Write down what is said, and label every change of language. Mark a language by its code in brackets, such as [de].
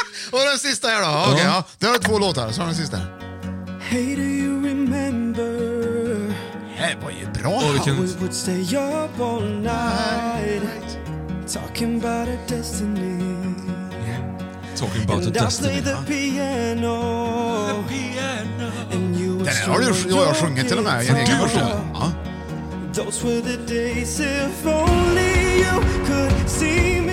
[sv] Och den sista här då, okej, okay, ja. Det är två låtar, så har den sista. [en] Hey, do you remember? [sv] Det var ju bra. [en] Oh, we would stay up all night talking about a destiny. Talking about and the destiny, the piano, and you [sv] den här har du ju sjungit till och med i en egen version. Ja. [en] Those were the days if only you could see me.